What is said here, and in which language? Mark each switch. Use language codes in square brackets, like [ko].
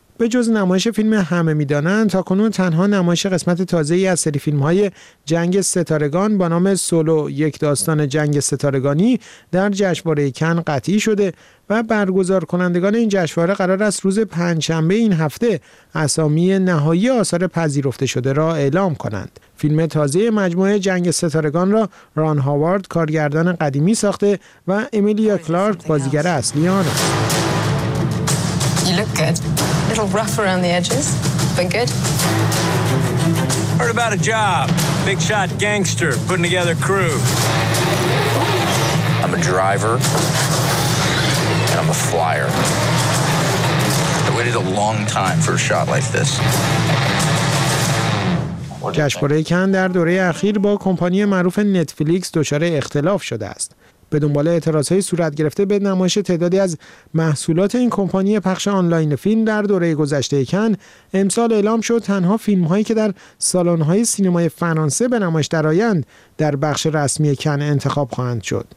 [fa] به جز نمایش فیلم همه میدانند تا کنون تنها نمایش قسمت تازه‌ای از سری فیلم‌های جنگ ستارگان با نام سولو یک داستان جنگ ستارگانی در جشنواره کن قطعی شده و برگزار کنندگان این جشنواره قرار است روز پنجشنبه این هفته اسامی نهایی آثار پذیرفته شده را اعلام کنند. فیلم تازه مجموعه جنگ ستارگان را ران هاوارد کارگردان قدیمی ساخته و امیلیا کلارک بازیگر اصلی آن است. [en] A little rough around the edges, but good. Heard about a job. Big shot gangster putting together a crew. I'm a driver, and I'm a flyer. I waited a long time for a shot like this. [fa] جشنواره کن در دوره اخیر با کمپانی معروف نتفلیکس دچار اختلاف شده است. به دنبال اعتراض های صورت گرفته به نمایش تعدادی از محصولات این کمپانی پخش آنلاین فیلم در دوره گذشته کن، امسال اعلام شد تنها فیلم هایی که در سالن های سینمای فرانسه به نمایش درآیند در بخش رسمی کن انتخاب خواهند شد.